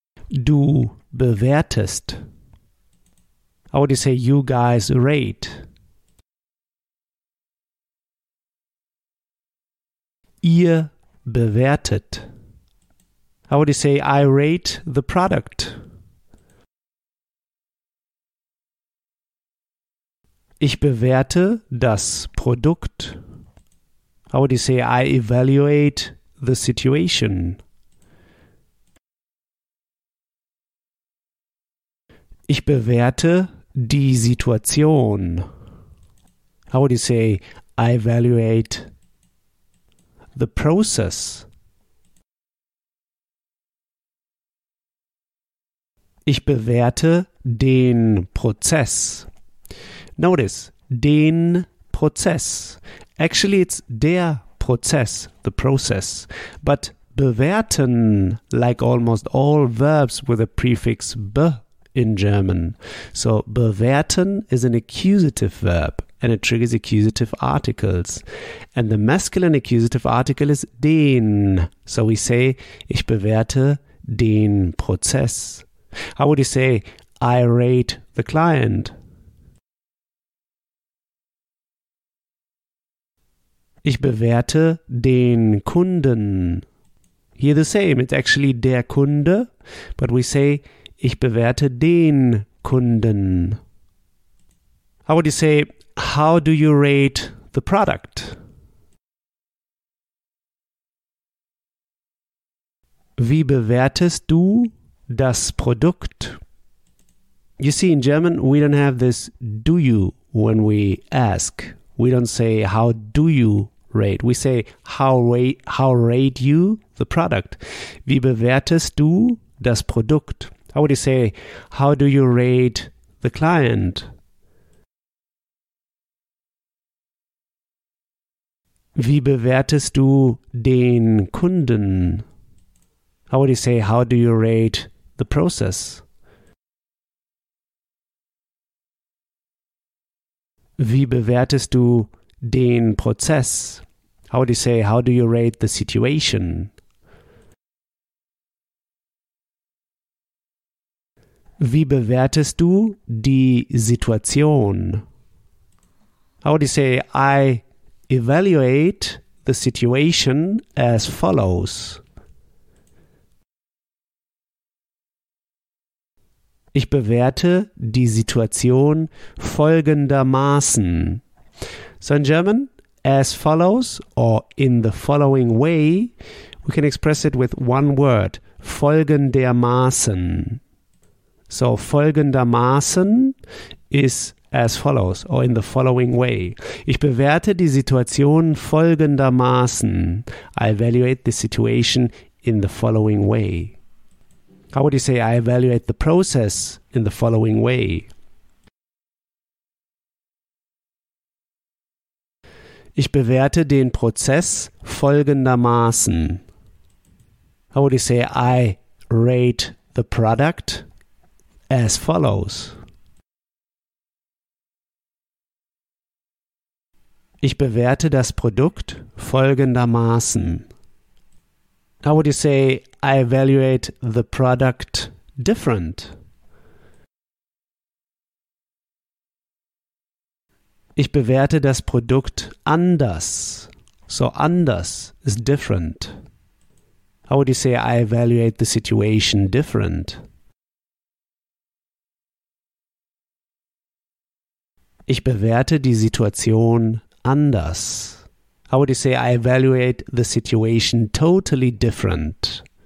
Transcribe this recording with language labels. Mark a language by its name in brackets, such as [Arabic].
[German] Du bewertest. [English] How would you say you guys rate? [German] Ihr bewertet. [English] How would you say I rate the product? [German] Ich bewerte das Produkt. [English] How would you say I evaluate the situation? [German] Ich bewerte die Situation. [English] How would you say I evaluate the process? [German] Ich bewerte den Prozess. [English] Notice, den Prozess. Actually, it's der Prozess, the process. But bewerten, like almost all verbs with a prefix be in German. So bewerten is an accusative verb and it triggers accusative articles. And the masculine accusative article is den. So we say, [German] ich bewerte den Prozess. [English] How would you say, I rate the client? [German] Ich bewerte den Kunden. [English] Here the same, it's actually [German] der Kunde, [English] but we say, [German] ich bewerte den Kunden. [English] How would you say, how do you rate the product? [German] Wie bewertest du das Produkt? [English] You see, in German, we don't have this do you when we ask. We don't say, how do you rate? We say, how rate you the product? [German] Wie bewertest du das Produkt? [English] How would you say, how do you rate the client? [German] Wie bewertest du den Kunden? [English] How would you say, how do you rate the process? [German] Wie bewertest du den Prozess? [English] How would you say, how do you rate the situation? [German] Wie bewertest du die Situation? [English] How would you say, I evaluate the situation as follows. [German] Ich bewerte die Situation folgendermaßen. [English] So in German, as follows or in the following way, we can express it with one word, folgendermaßen. So folgendermaßen is as follows or in the following way. [German] Ich bewerte die Situation folgendermaßen. [English] I evaluate the situation in the following way. How would you say I evaluate the process in the following way? [German] Ich bewerte den Prozess folgendermaßen. [English] How would you say I rate the product as follows? [German] Ich bewerte das Produkt folgendermaßen. [English] How would you say, I evaluate the product different? [German] Ich bewerte das Produkt anders. [English] So anders is different. How would you say, I evaluate the situation different? [German] Ich bewerte die Situation anders. [English] How would you say, I evaluate the situation totally different?